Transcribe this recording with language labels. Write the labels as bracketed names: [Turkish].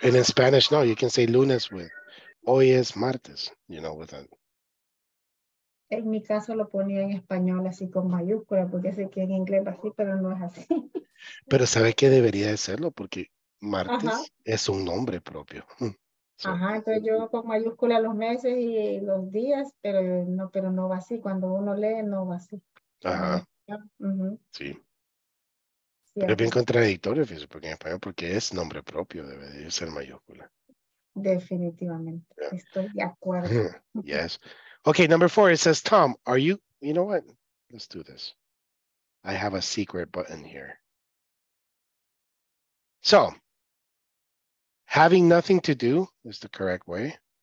[English] And in Spanish, no, you can say lunes with... [Spanish] Hoy es martes, [English] you know, with that. [Spanish] En mi caso lo ponía en español así con mayúscula, porque sé que en inglés va así, pero no es así. Pero sabes que debería de serlo, porque martes es un nombre propio. So, ajá, entonces yo con mayúscula los meses y los días, pero no va así. Cuando uno lee, no va así. Ajá. Uh-huh. Sí. Pero es bien contradictorio, fíjese, porque en español, porque es nombre propio, debe de ser mayúscula. Definitivamente. Yeah. Estoy de acuerdo. [English] Yes. Okay, number four, it says, Tom, are you, you know what? Let's do this. I have a secret button here. So, having nothing to do is the correct way.